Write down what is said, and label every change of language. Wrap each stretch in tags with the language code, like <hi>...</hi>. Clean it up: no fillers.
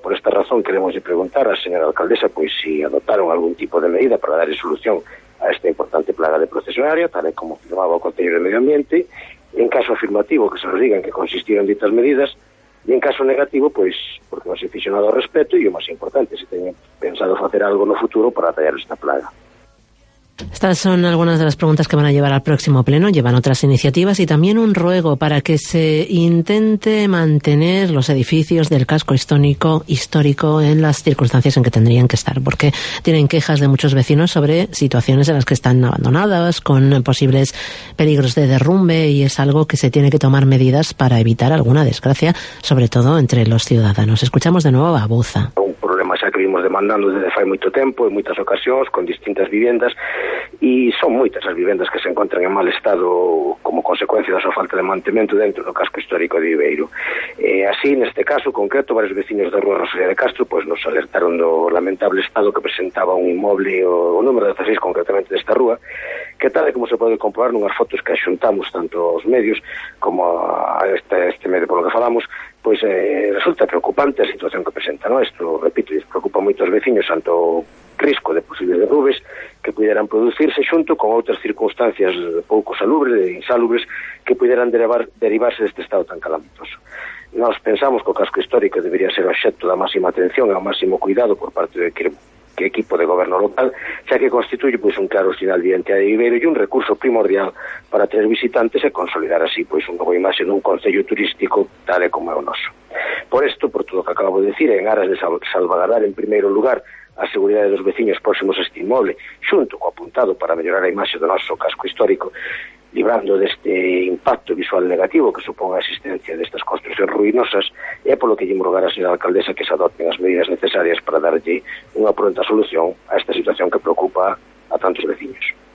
<gl>Por esta razón queremos preguntar á señora alcaldesa pois si adoptaron algún tipo de medida para dar solución a esta importante plaga de procesionaria, tal e como firmaba o Concello de Medio Ambiente. En caso afirmativo, que se nos digan que consistieron ditas medidas. E en caso negativo, pois, porque non se fixo nada ao respecto, e o máis importante, se teñen pensado facer algo no futuro para atallar esta plaga.</gl> <es>Estas son algunas de las preguntas que van a llevar al próximo pleno. Llevan otras iniciativas y también un ruego para que se intente mantener los edificios del casco histórico en las circunstancias en que tendrían que estar, porque tienen quejas de muchos vecinos sobre situaciones en las que están abandonadas, con posibles peligros de derrumbe, y es algo que se tiene que tomar medidas para evitar alguna desgracia, sobre todo entre los ciudadanos. Escuchamos de nuevo a Bouza.</es> <gl>Que vimos demandando desde fai moito tempo en moitas ocasións, con distintas viviendas, e son moitas as viviendas que se encontran en mal estado como consecuencia da súa falta de mantemento dentro do casco histórico de Viveiro. Así, neste caso concreto, varios veciños da rúa Rosalía de Castro pues nos alertaron do lamentable estado que presentaba un inmoble, o número 16 concretamente desta rúa, que tal e como se pode comprobar nunhas fotos que axuntamos tanto aos medios como a este medio polo que falamos, pois resulta preocupante a situación que presenta, ¿no? Esto, repito, preocupa moito aos veciños, tanto risco de posibles derrubes que pudieran producirse xunto con outras circunstancias pouco salubres, insalubres, que pudieran derivarse deste estado tan calamitoso. Nós pensamos que o casco histórico debería ser o obxecto da máxima atención e o máximo cuidado por parte de quem</gl> <es>equipo de gobierno local, ya que constituye pues un claro signal de identidad de Viveiro y un recurso primordial para atraer visitantes y consolidar así pues un nuevo imaxe en un concello turístico tal y</es> <gl>como é o noso.</gl> <es>Por esto, por todo lo que acabo de decir,</es> <gl>en aras de salvaguardar en primeiro lugar a seguridade dos veciños próximos a este inmoble, xunto co apuntado para mellorar a imaxe do noso casco histórico, librando deste impacto visual negativo que suponga a existencia destas construcións ruinosas, é polo que llemos rogar a señora alcaldesa que se adopten as medidas necesarias para darlle unha pronta solución a esta situación que preocupa a tantos veciños.</gl>